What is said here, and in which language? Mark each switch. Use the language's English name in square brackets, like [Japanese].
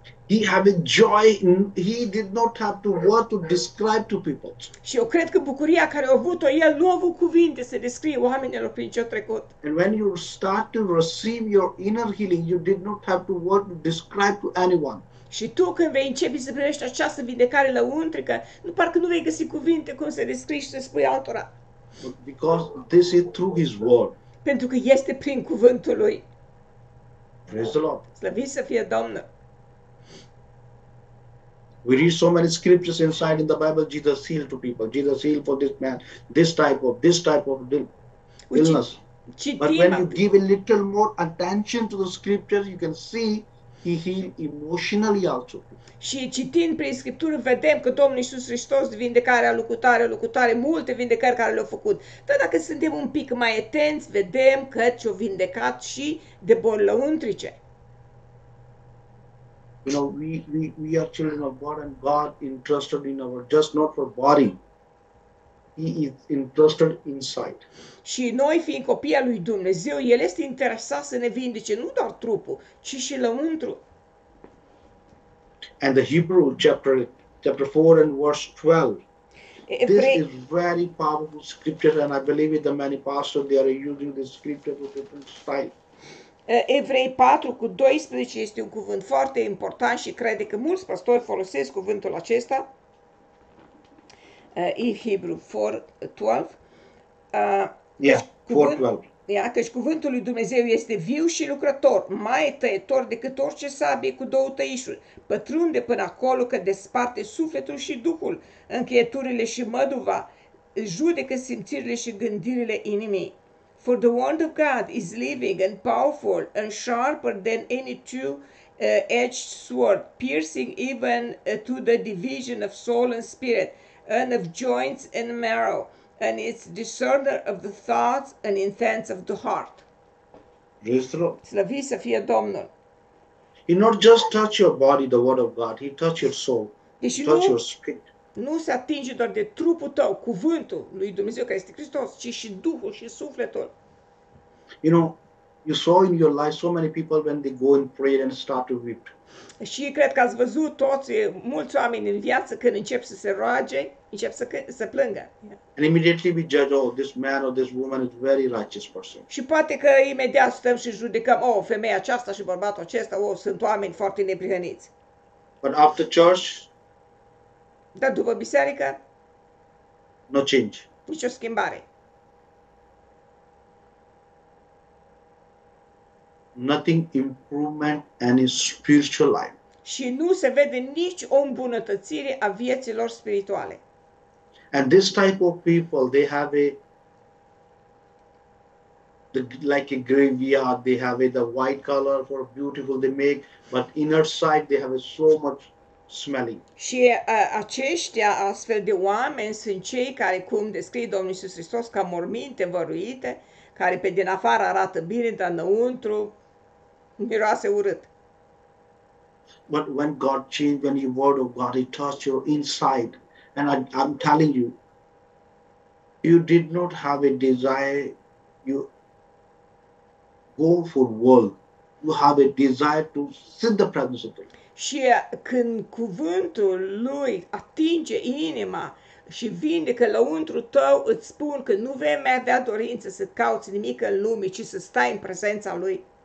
[English] He have a joy in, he did not have to what to describe to people. [Romanian] Și eu cred că bucuria care a avut-o el nu a avut cuvinte să descrie oamenilor prin ce a trecut. [English] And when you start to receive your inner healing, you did not have to what to describe to anyone. [Romanian] Și tu când vei începi să primești această vindecare lăuntrică, nu parcă nu vei găsi cuvinte cum să descrii și să spui altora. [English] Because this is through his word. [Romanian] Pentru că este prin cuvântul lui. [English] Praise the Lord. [Romanian] Slăviți să fie Domnul. [English] We read so many scriptures inside in the Bible, Jesus healed to people. Jesus healed for this man, this type of illness. But when you give a little more attention to the scriptures, you can see he healed emotionally also. [Romanian] Și citind prin scriptură vedem că Domnul Iisus Hristos vindecarea, locutare, multe vindecări care le-a făcut. Dar dacă suntem un pic mai atenți, vedem că ce-o vindecat și de boli lăuntrice. [English] You know, we are children of God, and God interested in our just not for body. He is interested inside. [Romanian] Și noi fiind copii al lui Dumnezeu, el este interesat să ne vindece nu doar trupul, ci și lăuntru. [English] And the Hebrew chapter 4 and verse 12. This is very powerful scripture, and I believe it. The many pastors they are using this scripture with different style. [Romanian] Evrei 4 cu 12 este un cuvânt foarte important și crede că mulți pastori folosesc cuvântul acesta. [English] Hebrew 4:12. Yeah, 4:12. [Romanian] Iată, și cuvântul lui Dumnezeu este viu și lucrător, mai tăietor decât orice sabie cu două tăișuri. Pătrunde până acolo că desparte sufletul și duhul, încheieturile și măduva, judecă simțirile și gândirile inimii. [English] For the word of God is living and powerful and sharper than any two-edged sword, piercing even to the division of soul and spirit, and of joints and marrow, and it's discerner of the thoughts and intents of the heart. [Romanian] Slăviți să fie Domnul. [English] He not just touch your body, the word of God, he touch your soul, [Romanian] deci [English] he touch your spirit. [Romanian] Nu se atinge doar de trupul tău, cuvântul lui Dumnezeu care este Hristos, ci și duhul și sufletul. [English] You know, you saw in your life so many people when they go in prayer and start to weep. [Romanian] Și cred că ați văzut toți, mulți oameni în viață când încep să se roage, încep să plângă. [English] And immediately we judge, oh, this man or this woman is very righteous person. [Romanian] Și poate că imediat stăm și judecăm, oh, femeia aceasta și bărbatul acesta, oh, sunt oameni foarte neprihăniți. [English] But after church, [Romanian] dar după biserică, [English] no change. [Romanian] Nici o schimbare. [English] Nothing improvement any spiritual life. [Romanian] Și nu se vede nici o îmbunătățire a vieților spirituale. [English] And this type of people, they have a like a graveyard, they have a the white color for beautiful they make, but inner side they have a so much smelling. [Romanian] Și aceștia astfel de oameni sunt cei care, cum descrie Domnul Iisus Hristos, ca morminte văruite, care pe din afară arată bine, dar înăuntru miroase urât. [English] But when God changed, when the word of God, he touched your inside, and I'm telling you, you did not have a desire, you go for world, you have a desire to sit the presence of the Lord. [Romanian] Și când cuvântul lui atinge inima și vindecă lăuntru tău, îți spun că nu vei mai avea dorință să cauți nimic în lume, ci să stai în prezența lui.